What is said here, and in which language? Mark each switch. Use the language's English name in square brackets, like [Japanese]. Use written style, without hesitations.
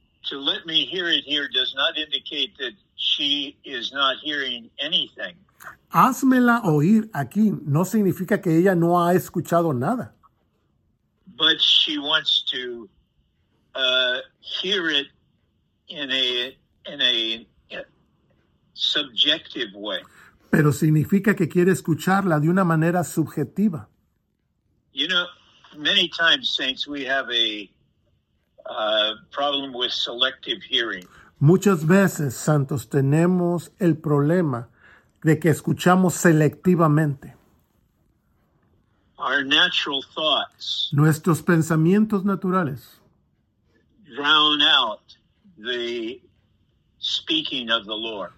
[English] To let me hear it here does not indicate that she is not hearing anything. [Spanish] Házmela oír aquí no significa que ella no ha escuchado nada. [English] But she wants to hear it in a subjective way. [Spanish] Pero significa que quiere escucharla de una manera subjetiva. [English] You know, many times, saints, we have a problem with selective hearing. [Spanish] Muchas veces, santos, tenemos el problema de que escuchamos selectivamente. [English] Our natural thoughts. [Spanish] Nuestros pensamientos naturales. [English] Drown out the speaking of the Lord.